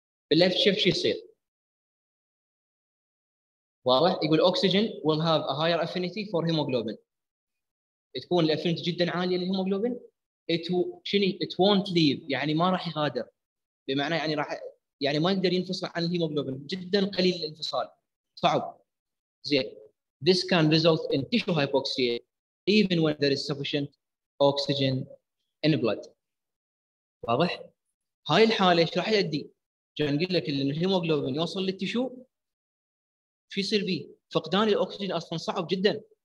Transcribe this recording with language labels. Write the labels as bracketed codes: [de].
[en] بالليفت شيفت [ar] شو يصير؟ واضح؟ يقول [en] Oxygen will have a higher affinity for haemoglobin. [ar] تكون الافينيتي جدا عاليه للهيموجلوبين. [en] It won't leave، [ar] يعني ما راح يغادر، بمعنى يعني راح يعني ما يقدر ينفصل عن الهيموجلوبين، جدا قليل الانفصال، صعب. زين [en] this can result in tissue hypoxia even when there is sufficient oxygen in blood. [ar] واضح؟ هاي الحاله ايش راح يؤدي؟ جاي نقول لك ان الهيموجلوبين يوصل للتشو شو يصير فيه؟ فقدان الاكسجين اصلا صعب جدا.